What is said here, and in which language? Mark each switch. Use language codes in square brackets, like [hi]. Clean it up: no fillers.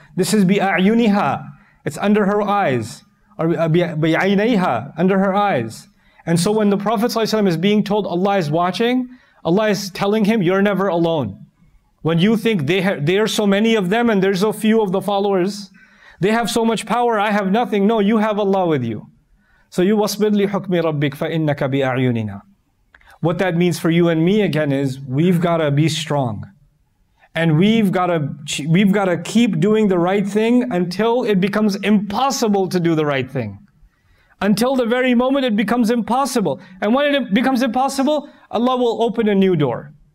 [en] This is bi'ayuniha. It's under her eyes. Or بِعَيْنَيْهَا, under her eyes. And so when the Prophet ﷺ is being told Allah is watching, Allah is telling him, you're never alone. When you think they are so many of them and there's so few of the followers, they have so much power, I have nothing. No, you have Allah with you. So you [ar] وَاصْبِرْ لِحُكْمِ رَبِّكْ فَإِنَّكَ بِأَعْيُنِنَا. [en] What that means for you and me again is, we've got to be strong. And we've got to keep doing the right thing until it becomes impossible to do the right thing. Until the very moment it becomes impossible. And when it becomes impossible, Allah will open a new door.